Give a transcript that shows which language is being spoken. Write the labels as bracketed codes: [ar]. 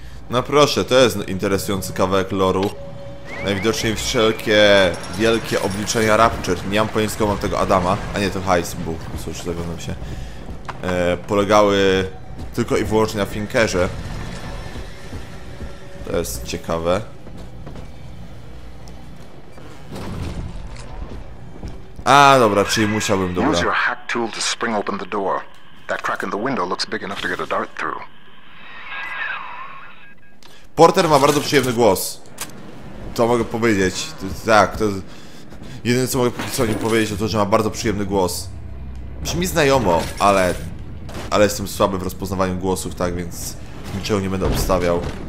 [pl] No proszę, to jest interesujący kawałek loru. Najwidoczniej wszelkie wielkie obliczenia Rapture, nie mam pojęcia, skąd mam tego Adama, a nie to Heist, bo cóż, zawiodłem się, polegały tylko i wyłącznie na Finkerze. To jest ciekawe. A, dobra, czyli musiałbym, dobra. Użyj hack tool, żeby [en] spring open the door. That crack in the window looks big enough to get a dart through. [pl] Porter ma bardzo przyjemny głos. To mogę powiedzieć. Tak, to. Jedyne co mogę o nim powiedzieć, to to, że ma bardzo przyjemny głos. Brzmi znajomo, ale. Ale jestem słaby w rozpoznawaniu głosów, tak więc niczego nie będę obstawiał.